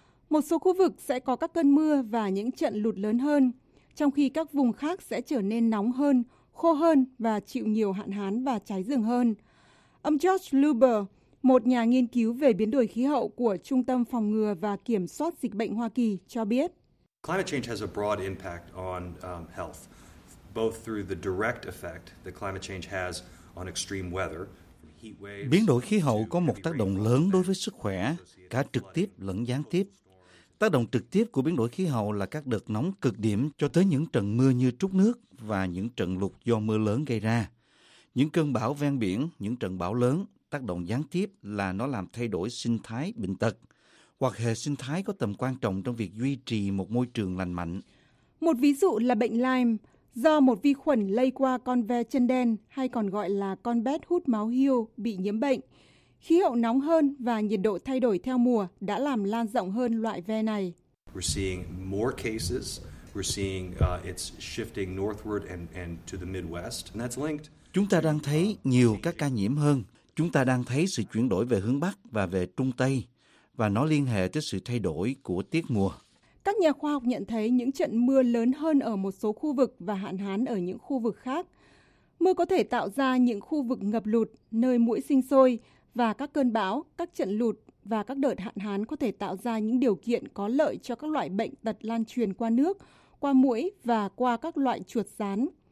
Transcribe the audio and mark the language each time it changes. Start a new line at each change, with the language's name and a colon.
Vietnamese: Một số khu vực sẽ có các cơn mưa và những trận lụt lớn hơn, trong khi các vùng khác sẽ trở nên nóng hơn, khô hơn và chịu nhiều hạn hán và cháy rừng hơn. Ông George Luber, một nhà nghiên cứu về biến đổi khí hậu của Trung tâm Phòng ngừa và Kiểm soát Dịch bệnh Hoa Kỳ, cho biết.
English: Climate change has a broad impact on health, both through the direct effect that climate change has on extreme weather.
Vietnamese: Biến đổi khí hậu có một tác động lớn đối với sức khỏe, cả trực tiếp lẫn gián tiếp. Tác động trực tiếp của biến đổi khí hậu là các đợt nóng cực điểm cho tới những trận mưa như trút nước và những trận lụt do mưa lớn gây ra. Những cơn bão ven biển, những trận bão lớn, tác động gián tiếp là nó làm thay đổi sinh thái bệnh tật hoặc hệ sinh thái có tầm quan trọng trong việc duy trì một môi trường lành mạnh. Một ví dụ là bệnh Lyme, do một vi khuẩn lây qua con ve chân đen hay còn gọi là con bét hút máu hiêu bị nhiễm bệnh. Khí hậu nóng hơn và nhiệt độ thay đổi theo mùa đã làm lan rộng hơn loại ve này.
English: We're seeing more cases. We're seeing it's shifting northward and to the Midwest. And that's linked.
Vietnamese: Chúng ta đang thấy nhiều các ca nhiễm hơn. Chúng ta đang thấy sự chuyển đổi về hướng Bắc và về Trung Tây, và nó liên hệ tới sự thay đổi của tiết mùa. Các nhà khoa học nhận thấy những trận mưa lớn hơn ở một số khu vực và hạn hán ở những khu vực khác. Mưa có thể tạo ra những khu vực ngập lụt, nơi muỗi sinh sôi, và các cơn bão, các trận lụt và các đợt hạn hán có thể tạo ra những điều kiện có lợi cho các loại bệnh tật lan truyền qua nước, qua muỗi và qua các loại chuột rán.